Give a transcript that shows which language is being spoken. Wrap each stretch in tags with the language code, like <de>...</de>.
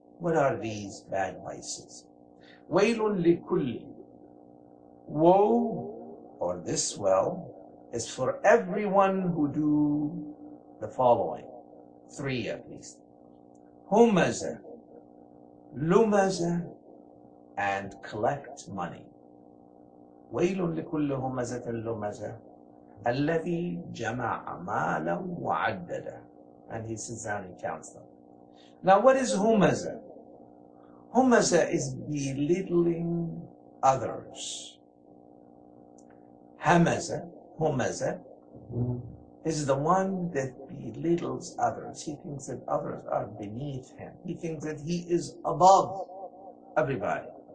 <en>What are these bad vices?</en> <ar>وَيْلٌ لِكُلِّ</ar> <en>Woe, or this well, is for everyone who do the following. Three at least.</en> <ar>هُمَزَ لُمَزَ</ar> <en>and collect money.</en> <ar>وَيْلٌ لِكُلِّ هُمَزَةٍ لُمَزَ الَّذِي جَمَعَ مَالًا وَعَدَّدَهُ</ar> <en>And he sits down and counts them. Now what is humaza? Humaza is belittling others. Hamaza, humaza, is the one that belittles others. He thinks that others are beneath him. He thinks that he is above everybody.</en>